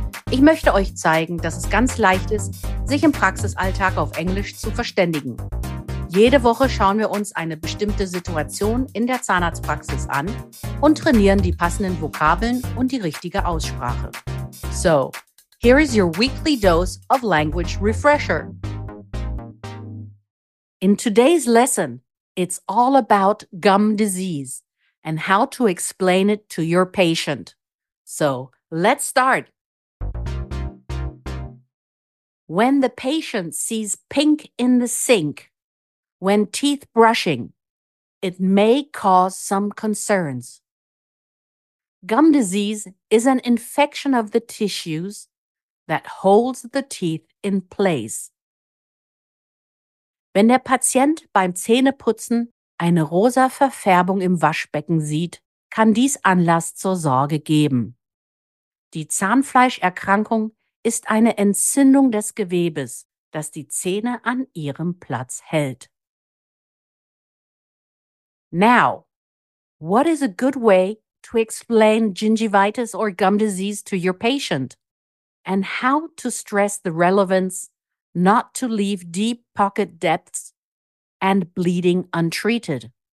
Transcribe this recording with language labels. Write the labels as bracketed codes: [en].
[de] Ich möchte euch zeigen, dass es ganz leicht ist, sich im Praxisalltag auf Englisch zu verständigen. Jede Woche schauen wir uns eine bestimmte Situation in der Zahnarztpraxis an und trainieren die passenden Vokabeln und die richtige Aussprache. [en] So, here is your weekly dose of language refresher. In today's lesson, it's all about gum disease and how to explain it to your patient. So, let's start. When the patient sees pink in the sink, when teeth brushing, it may cause some concerns. Gum disease is an infection of the tissues that holds the teeth in place. [de] Wenn der Patient beim Zähneputzen eine rosa Verfärbung im Waschbecken sieht, kann dies Anlass zur Sorge geben. Die Zahnfleischerkrankung ist eine Entzündung des Gewebes, das die Zähne an ihrem Platz hält. [en] Now, what is a good way to explain gingivitis or gum disease to your patient? And how to stress the relevance not to leave deep pocket depths and bleeding untreated?